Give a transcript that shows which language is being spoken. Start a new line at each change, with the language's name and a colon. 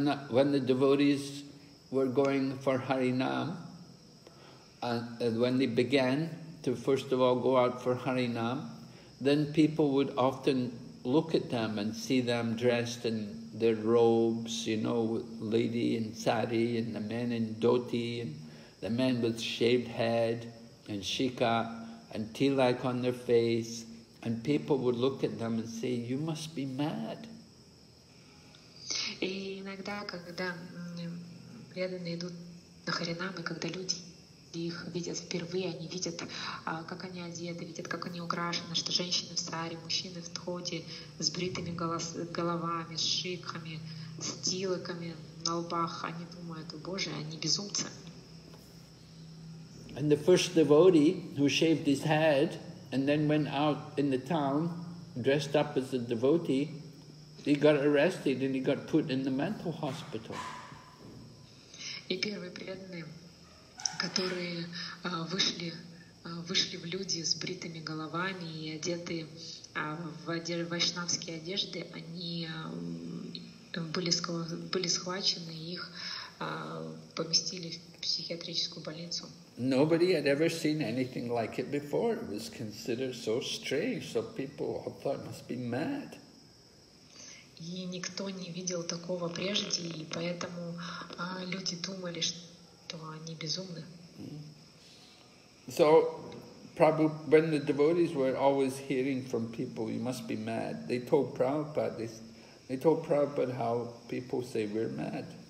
English: When the devotees were going for Harinam, and when they began to first of all go out for Harinam, then people would often look at them and see them dressed in their robes, you know, lady in sari, and the men in dhoti, and the men with shaved head, and shika, and tilak on their face, and people would look at them and say, you must be mad.
Russian: И иногда, когда преданные идут на Харинам, и когда люди их видят впервые, они видят, как они одеты, видят, как они украшены, что женщины в саре, мужчины в тхоте, с бритыми головами, с шикхами, с тилаками на лбах, они думают, о Боже, они безумцы.
English: And the first devotee who shaved his head and then went out in the town dressed up as a devotee, he got arrested and he got put in the mental hospital.
Russian: И первые преданные, которые вышли в люди с бритыми головами и одеты в вайшнавские одежды, они были схвачены, их поместили в психиатрическую больницу.
English: Nobody had ever seen anything like it before. It was considered so strange, so people thought must be mad.
Russian: И никто не видел такого прежде, и поэтому люди думали, что они безумны.
English: So, Prabhupada, when the devotees were always hearing from people, you must be mad, they told Prabhupada how people say we're mad.